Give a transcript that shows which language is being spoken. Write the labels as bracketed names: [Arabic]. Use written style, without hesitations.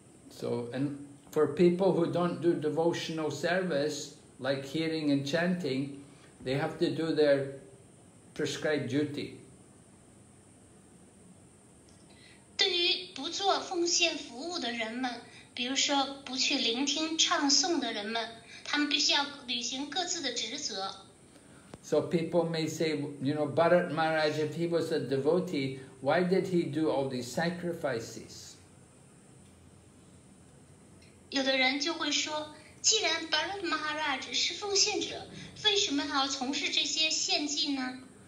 [English] so, and for people who don't do devotional service, like hearing and chanting, they have to do their prescribed duty. [Chinese] 对于不做奉献服务的人们, 比如说不去聆听唱诵的人们, 他们必须要履行各自的职责。 [English] So people may say, you know, Bharat Maharaj, if he was a devotee, why did he do all these sacrifices? [Chinese] 有的人就会说, 既然Bharat Maharaj是奉献者, 为什么他要从事这些献祭呢?